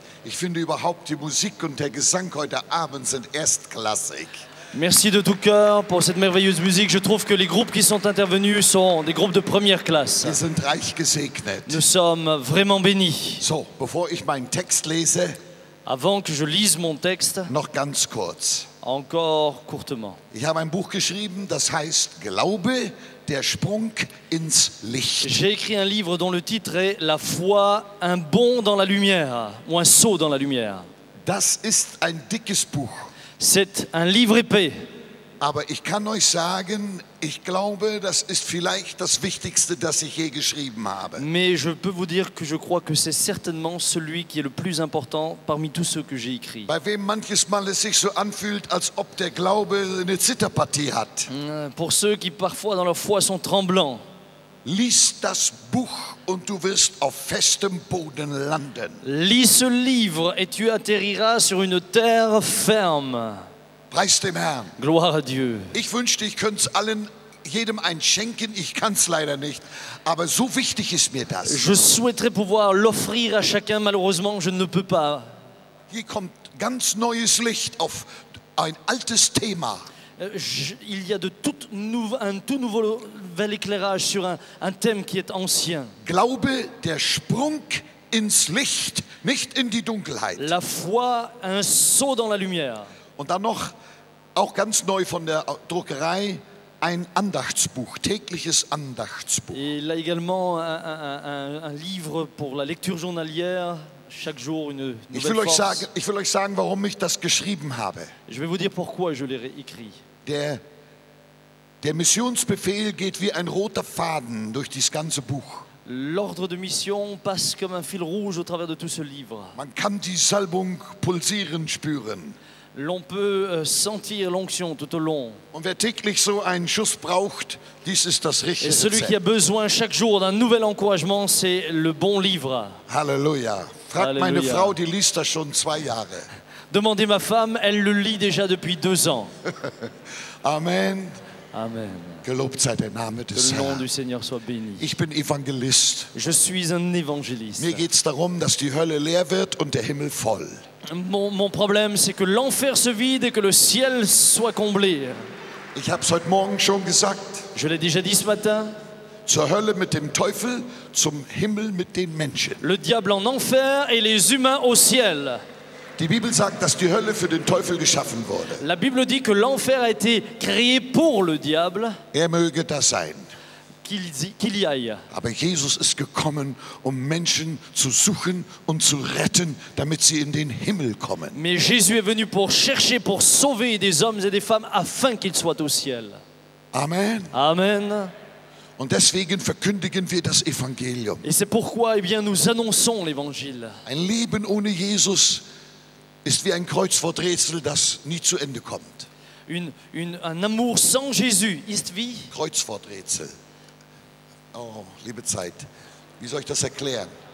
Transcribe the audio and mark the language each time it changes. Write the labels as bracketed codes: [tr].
[de] Ich finde überhaupt, die Musik und der Gesang heute Abend sind erstklassig. [fr] Merci de tout cœur pour cette merveilleuse musique. Je trouve que les groupes qui sont intervenus sont des groupes de première classe. [de] Wir sind reich gesegnet. [fr] Nous sommes vraiment bénis. [de] So, bevor ich meinen Text lese, [fr] avant que je lise mon texte, [de] noch ganz kurz. [fr] Encore courtement. [de] Ich habe ein Buch geschrieben, das heißt Glaube, der Sprung ins Licht. [fr] J'ai écrit un livre dont le titre est La foi, un bond dans la lumière, ou un saut dans la lumière. [de] Das ist ein dickes Buch. [fr] C'est un livre épais. [de] Aber ich kann euch sagen, ich glaube, das ist vielleicht das Wichtigste, das ich je geschrieben habe. [fr] Mais je peux vous dire que je crois que c'est certainement celui qui est le plus important parmi tous ceux que j'ai écrits. [de] Bei wem manches Mal es sich so anfühlt, als ob der Glaube eine Zitterpartie hat. [fr] Pour ceux qui parfois dans leur foi sont tremblants. [de] Lies das Buch und du wirst auf festem Boden landen. [fr] Lis ce livre et tu atterriras sur une terre ferme. [de] Preis dem Herrn. [fr] Gloire à Dieu. [de] Ich wünschte, ich könnte es allen, jedem eins schenken. Ich kann es leider nicht. Aber so wichtig ist mir das. [fr] Je souhaiterais pouvoir l'offrir à chacun. Malheureusement, je ne peux pas. [de] Hier kommt ganz neues Licht auf ein altes Thema. [fr] Il y a de tout nouveau, un tout nouvel éclairage sur un thème qui est ancien. [de] Glaube, der Sprung ins Licht, nicht in die Dunkelheit. [fr] La foi, un saut dans la lumière. [de] Und dann noch, auch ganz neu von der Druckerei, ein Andachtsbuch, tägliches Andachtsbuch. [fr] Et là également un livre pour la lecture journalière, chaque jour une nouvelle force. [de] Ich will euch sagen, warum ich das geschrieben habe. [fr] Je vais vous dire pourquoi je l'ai écrit. [de] Der Missionsbefehl geht wie ein roter Faden durch das ganze Buch. [fr] L'ordre de mission passe comme un fil rouge au travers de tout ce livre. [de] Man kann die Salbung pulsieren spüren. [fr] L'on peut sentir l'onction tout au long. [de] Und wer täglich so einen Schuss braucht, dies ist das richtige [fr] Rezept. Et celui qui a besoin chaque jour d'un nouvel encouragement, c'est le bon livre. [de] Halleluja. Frag Halleluja. Meine Frau, die liest das schon 2 Jahre. [fr] Demandez ma femme, elle le lit déjà depuis 2 ans. [de] Amen. [fr] Amen. [de] Gelobt sei der Name des Herrn. [fr] Que le nom du Seigneur soit béni. [de] Ich bin Evangelist. [fr] Je suis un évangéliste. [de] Mir geht's darum, dass die Hölle leer wird und der Himmel voll. [fr] Mon problème, c'est que l'enfer se vide et que le ciel soit comblé. [de] Ich hab's heute Morgen schon gesagt. [fr] Je l'ai déjà dit ce matin. [de] Zur Hölle mit dem Teufel, zum Himmel mit den Menschen. [fr] Le diable en enfer et les humains au ciel. [de] Die Bibel sagt, dass die Hölle für den Teufel geschaffen wurde. [fr] La Bible dit que l'enfer a été créé pour le diable. [de] Er möge das sein. [fr] qu'il y aille. [de] Aber Jesus ist gekommen, um Menschen zu suchen und zu retten, damit sie in den Himmel kommen. [fr] Mais Jésus est venu pour chercher, pour sauver des hommes et des femmes afin qu'ils soient au ciel. [de] Amen. [fr] Amen. [de] Und deswegen verkündigen wir das Evangelium. [fr] Et c'est pourquoi, eh bien, nous annonçons l'Évangile. [de] Ein Leben ohne Jesus ist wie ein Kreuzworträtsel, das nie zu Ende kommt. [fr] Un amour sans Jésus [de] ist wie... Kreuzworträtsel. Oh, liebe Zeit. Wie soll ich das erklären?